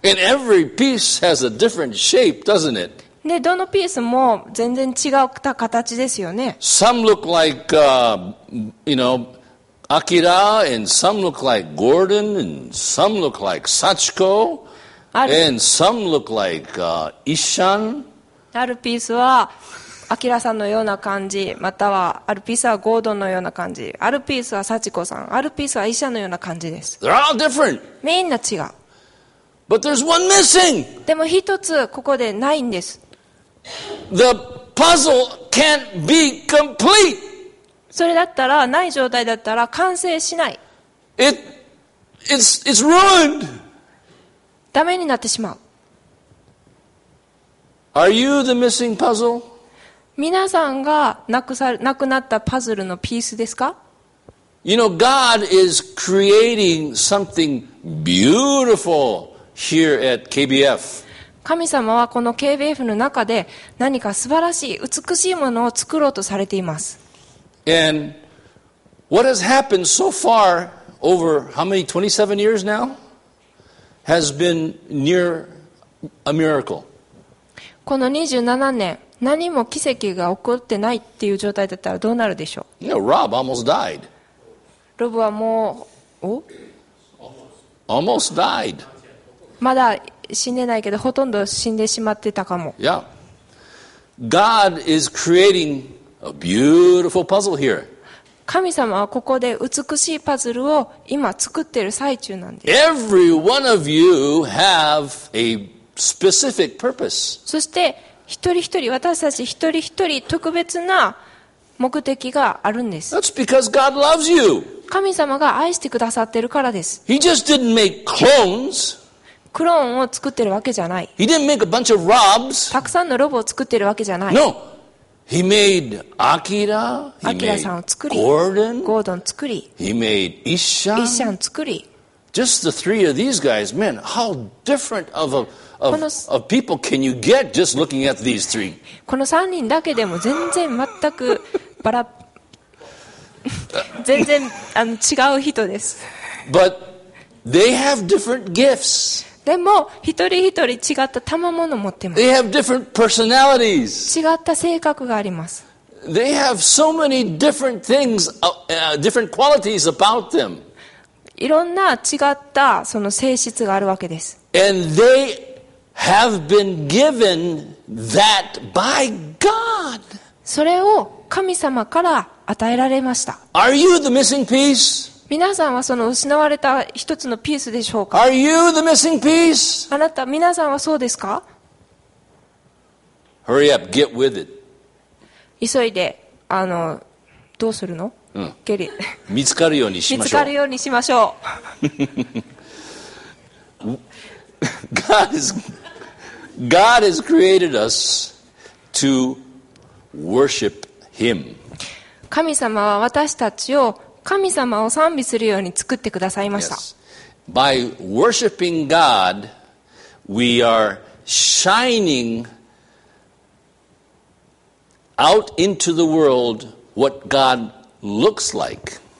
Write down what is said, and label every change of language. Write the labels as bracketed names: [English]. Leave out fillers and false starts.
[English] And every piece has a different shape, doesn't it? [Japanese] で、どのピースも全然違った形ですよね。 [English] Some look like, you know,Akira and some look like Gordon and some look like Sachiko and some look like Ishan. [Japanese] あるピースはアキラさんのような感じ、またはあるピースはゴードンのような感じ、あるピースはサチコさん、あるピースはイシャンのような感じです。 [English] They're all different. [Japanese] みんな違う。 [English] But there's one missing. [Japanese] でも一つここでないんです。 [English] The puzzle can't be complete. [Japanese] それだったらない状態だったら完成しない。 [English] It's ruined. [Japanese] ダメになってしまう。 [English] Are you the missing puzzle? [Japanese] 皆さんがなくなったパズルのピースですか? [English] You know, God is creating something beautiful here at KBF. [Japanese] 神様はこの KBF の中で何か素晴らしい美しいものを作ろうとされています。 [English] And what has happened so far over how many 27 years now has been near a miracle. [Japanese] この27年、何も奇跡が起こってないっていう状態だったらどうなるでしょう? [English] You know, Rob almost died. [Japanese] ロブはもう、お? [English] Almost died. [Japanese] まだ死んでないけど、ほとんど死んでしまってたかも。 [English] Yeah. God is creating. A beautiful puzzle here. [Japanese] 神様はここで美しいパズルを今作っている最中なんです。 [English] Every one of you have a specific purpose. [Japanese] そして一人一人私たち一人一人特別な目的があるんです。 [English] That's because God loves you. [Japanese] 神様が愛してくださっているからです。 [English] He just didn't make clones. [Japanese] クローンを作っているわけじゃない。 [English] He didn't make a bunch of Robs. [Japanese] たくさんのロボを作っているわけじゃない。 [English] No. He made Akira, he made Gordon, [Japanese] Gordon 作り [English] he made Ishan. [Japanese] Ishan 作り [English] just the three of these guys, man, how different of people can you get just looking at these three? [Japanese] この3人だけでも全然全くバラ全然違う人です。 [English] But they have different gifts. [Japanese] でも一人一人違った賜物を持ってます。 [English] They have different personalities. [Japanese] 違った性格があります。 [English] They have so many different things, different qualities about them. [Japanese] いろんな違ったその性質があるわけです。 [English] And they have been given that by God. [Japanese] それを神様から与えられました。 [English] Are you the missing piece? [Japanese] 皆さんはその失われた一つのピースでしょうか? [English] Are you the missing piece? [Japanese] あなた、皆さんはそうですか? [English] Hurry up, get with it. [Japanese] 急いで、どうするの? [English] Get it. [Japanese] 見つかるようにしましょう。見つかるようにしましょう。 [English] God has created us to worship Him. [Japanese] 神様は私たちを神様を賛美するように作ってくださいました。 [English] By worshiping God, we are shining out into the world what God looks like.